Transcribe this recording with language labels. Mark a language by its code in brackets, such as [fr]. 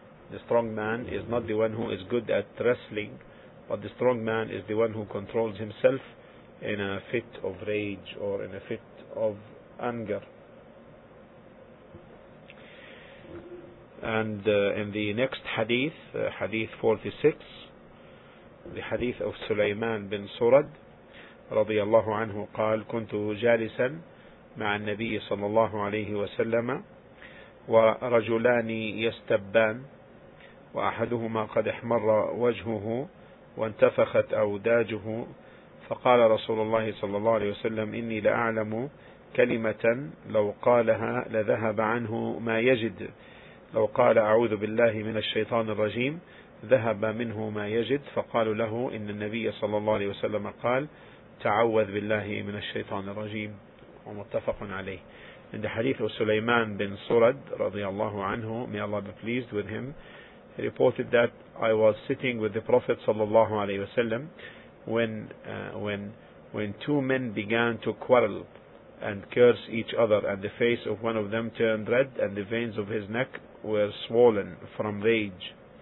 [en] The strong man is not the one who is good at wrestling, but the strong man is the one who controls himself in a fit of rage or in a fit of anger. And in the next hadith, hadith 46, the hadith of Sulaiman bin Surad [ar] رضي الله عنه قال كنت جالسا مع النبي صلى الله عليه وسلم ورجلان يستبان وأحدهما قد احمر وجهه وانتفخت أوداجه فقال رسول الله صلى الله عليه وسلم إني لأعلم كلمة لو قالها لذهب عنه ما يجد، لو قال أعوذ بالله من الشيطان الرجيم ذهب منه ما يجد. فقالوا له إن النبي صلى الله عليه وسلم قال تعوذ بالله من الشيطان الرجيم. ومتفق عليه. عند حديث سليمان بن سرد رضي الله عنه, [en] may Allah be pleased with him, he reported that I was sitting with the Prophet صلى الله عليه وسلم when two men began to quarrel and curse each other, and the face of one of them turned red and the veins of his neck were swollen from rage.